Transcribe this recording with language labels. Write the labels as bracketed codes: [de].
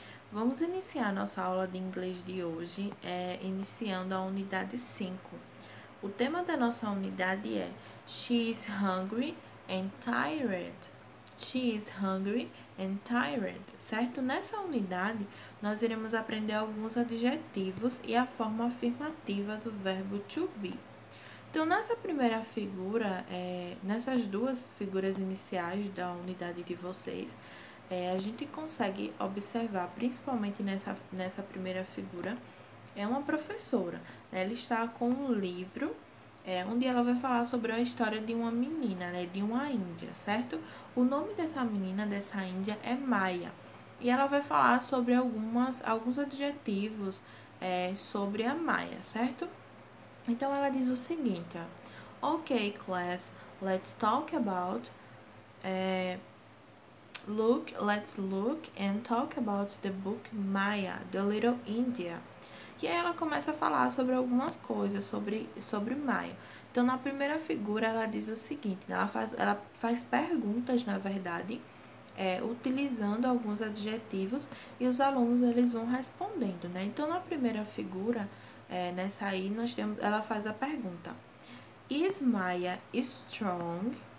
[pt] Vamos iniciar nossa aula de inglês de hoje, iniciando a unidade 5. O tema da nossa unidade é [en] She is hungry and tired. She is hungry and tired, [pt] certo? Nessa unidade, nós iremos aprender alguns adjetivos e a forma afirmativa do verbo to be. Então, nessa primeira figura, nessas duas figuras iniciais da unidade de vocês, a gente consegue observar, principalmente nessa primeira figura, é uma professora. Né? Ela está com um livro, onde ela vai falar sobre a história de uma menina, né? De uma índia, certo? O nome dessa menina, dessa índia, é Maia. E ela vai falar sobre alguns adjetivos, sobre a Maia, certo? Então ela diz o seguinte, ó. [en] Okay, class, let's talk about. Let's look and talk about the book Maya, The Little India. [pt] E aí ela começa a falar sobre algumas coisas sobre Maya. Então na primeira figura ela diz o seguinte, né? Ela faz perguntas, na verdade, utilizando alguns adjetivos e os alunos eles vão respondendo, né? Então na primeira figura. Nessa aí, nós temos, ela faz a pergunta: [en] Is Maya strong?